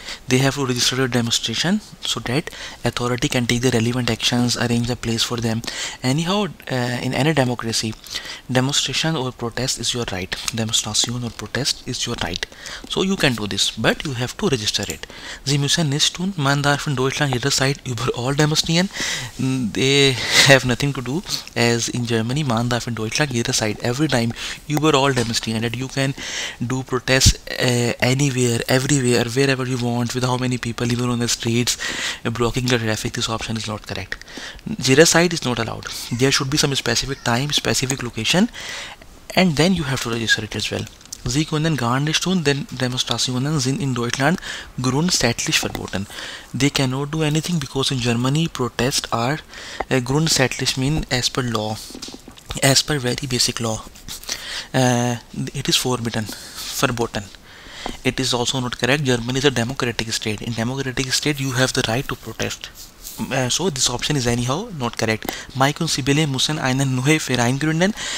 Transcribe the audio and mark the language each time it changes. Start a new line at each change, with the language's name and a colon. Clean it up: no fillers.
English: They have to register a demonstration so that authority can take the relevant actions, arrange a place for them. Anyhow, in any democracy, demonstration or protest is your right. Demonstration or protest is your right. So you can do this, but you have to register it.
German: Sie müssen nicht tun, man darf in Deutschland jederzeit überall demonstrieren.
English: They have nothing to do, as in Germany,
German: man darf in Deutschland jederzeit,
English: every time,
German: überall demonstrieren,
English: that you can do protests anywhere, everywhere, wherever you want, with how many people, even on the streets, blocking the traffic. This option is not correct. Jederzeit is not allowed. There should be some specific time, specific location, and then you have to register it as well.
German: Sie können gar nicht tun, denn Demonstrationen sind in Deutschland grundsätzlich verboten.
English: They cannot do anything because in Germany protests are grundsätzlich, mean as per law, as per very basic law. It is forbidden, verboten. It is also not correct. Germany is a democratic state. In democratic state, you have the right to protest. So this option is anyhow not correct.
German: Mike und Sibylle müssen einen neuen Verein gründen.